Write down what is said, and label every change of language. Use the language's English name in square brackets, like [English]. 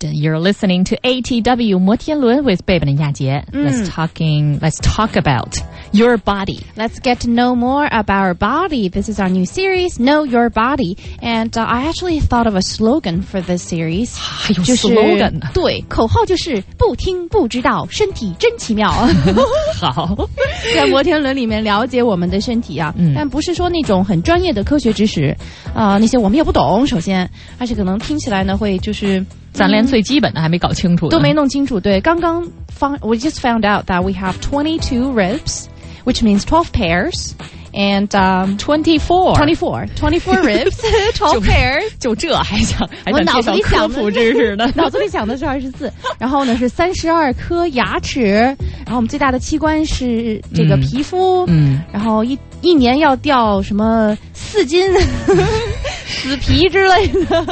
[English] You're listening to ATW 摩天轮 with Babe and 亚杰、Let's talk about your body. Let's get to know more about our body. This is our new series, Know Your Body. And、I actually thought of a slogan for this series. [Chinese] 还有 slogan? 对，口号就是不听不知道，身体真奇妙。好。在摩天轮里面了解我们的身体啊、但不是说那种很专业的科学知识、那些我们也不懂首先，而且可能听起来呢会就是咱连最基本的还没搞清楚、都没弄清楚。对，刚刚 [English] we just found out that we have 22 ribs which means 12 pairs and 24 ribs 12 pairs [Chinese] 就这还想介绍科普知识呢，脑子里想的是24，然后呢是32颗牙齿，然后我们最大的器官是这个皮肤、然后一年要掉什么4斤死皮之类的。